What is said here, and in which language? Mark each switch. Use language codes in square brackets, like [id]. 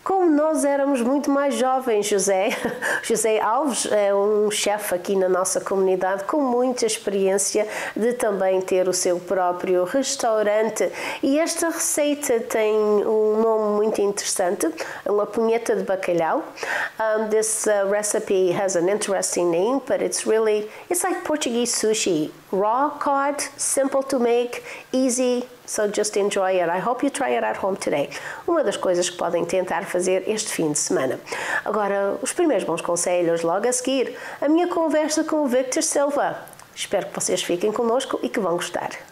[pt] Nós éramos muito mais jovens, José Alves é um chefe aqui na nossa comunidade com muita experiência de também ter o seu próprio restaurante. E esta receita tem um nome muito interessante, uma punheta de bacalhau. [en] This recipe has an interesting name, but it's like Portuguese sushi. Raw cod, simple to make, easy. So just enjoy it. I hope you try it at home today. [pt] Uma das coisas que podem tentar fazer este fim de semana. Agora, os primeiros bons conselhos logo a seguir. A minha conversa com o Victor Silva. Espero que vocês fiquem connosco e que vão gostar.